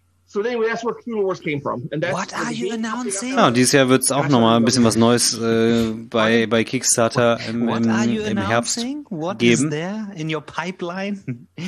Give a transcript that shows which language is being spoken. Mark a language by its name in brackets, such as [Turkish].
[English] So anyway, that's where Cthulhu Wars came from. And that's what are you announcing? [German] Ja, dieses Jahr wird es auch noch mal ein bisschen was Neues bei Kickstarter im Herbst [English] what [German] geben. [English] What is there in your pipeline?